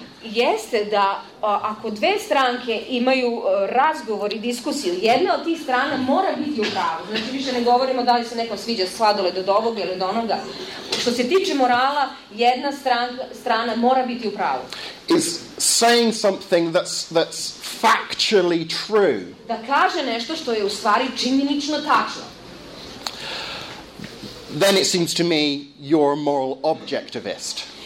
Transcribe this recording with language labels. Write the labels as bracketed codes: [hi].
[sr] Jeste da ako dve stranke imaju razgovor I diskusiju, jedna od tih strana mora biti u pravu. Znači više ne govorimo da li se neko sviđa sladoled od ovog ili od onoga. Što se tiče morala, jedna strana mora biti u pravu. [en] Is saying something that's factually true. [sr] Da kaže nešto što je u stvari činjenično tačno. [en] Then it seems to me you're a moral objectivist.